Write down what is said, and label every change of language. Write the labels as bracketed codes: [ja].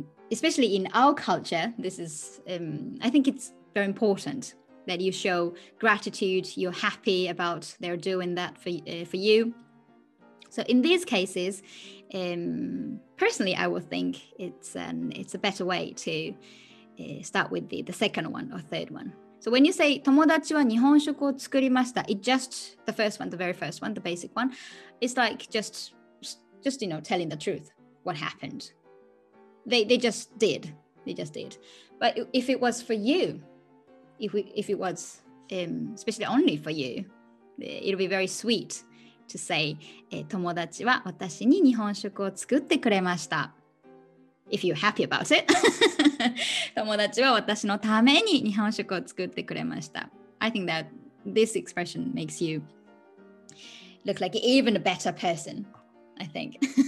[en] especially in our culture, this is, I think it's very important that you show gratitude, you're happy about they're doing that for you. So in these cases, personally, I would think it's a better way to start with the second one or third one. So when you say, [ja] 友達は日本食を作りました, [en] it's just the first one, the very first one, the basic one. It's like just you know, telling the truth, what happened. They just did. But if it was for you, if it was especially only for you, it'll be very sweet to say, [ja] 友達は私に日本食を作ってくれました。 [en] If you're happy about it. [ja] 友達は私のために日本食を作ってくれました。 [en] I think that this expression makes you look like even a better person, I think.